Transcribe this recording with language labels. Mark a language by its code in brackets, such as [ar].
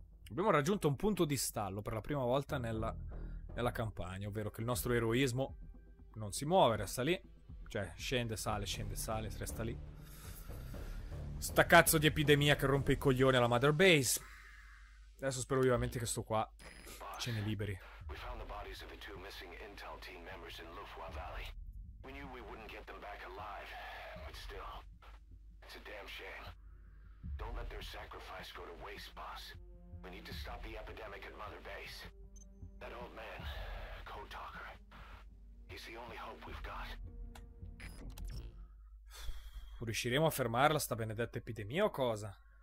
[it] Abbiamo raggiunto un punto di stallo per la prima volta nella campagna, ovvero che il nostro eroismo non si muove, resta lì. Cioè, scende, sale, resta lì. Sta cazzo di epidemia che rompe i coglioni alla Mother Base. Adesso spero vivamente che sto qua ce ne liberi. [en] We found the bodies of the two missing Intel team members in Lufwa Valley. We knew we wouldn't get them back alive, but still, it's a damn shame. Don't let their sacrifice go to waste, boss. We need to stop the epidemic at Mother Base. That old man, Code Talker, he's the only hope we've got. [it] Riusciremo a fermarla sta benedetta epidemia o cosa?